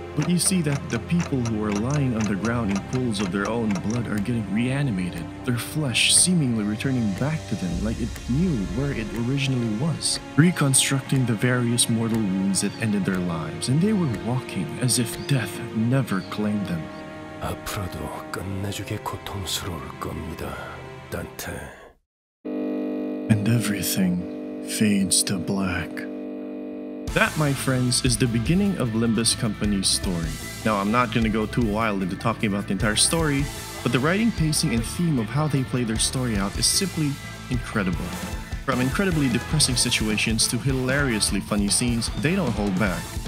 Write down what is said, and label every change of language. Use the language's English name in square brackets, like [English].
[English] But you see that the people who are lying underground in pools of their own blood are getting reanimated, their flesh seemingly returning back to them like it knew where it originally was, reconstructing the various mortal wounds that ended their lives, and they were walking as if death never claimed them. [Korean] 앞으로도 끝내주게 고통스러울 겁니다, 단테. [English] And everything fades to black. That, my friends, is the beginning of Limbus Company's story. Now, I'm not going to go too wild into talking about the entire story, but the writing, pacing, and theme of how they play their story out is simply incredible. From incredibly depressing situations to hilariously funny scenes, they don't hold back.